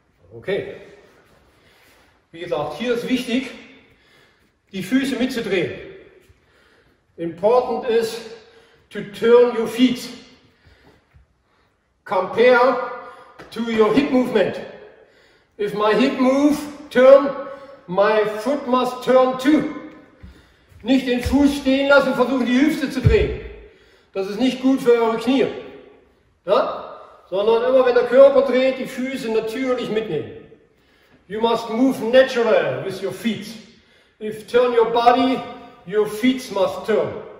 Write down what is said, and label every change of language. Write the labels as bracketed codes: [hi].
[de] Okay, wie gesagt, hier ist wichtig, die Füße mitzudrehen. [en] Important is to turn your feet compared to your hip movement. If my hip move turn, my foot must turn too. [de] Nicht den Fuß stehen lassen, versuchen die Hüfte zu drehen. Das ist nicht gut für eure Knie. Ja? Sondern immer, wenn der Körper dreht, die Füße natürlich mitnehmen. [en] You must move naturally with your feet. If turn your body, your feet must turn.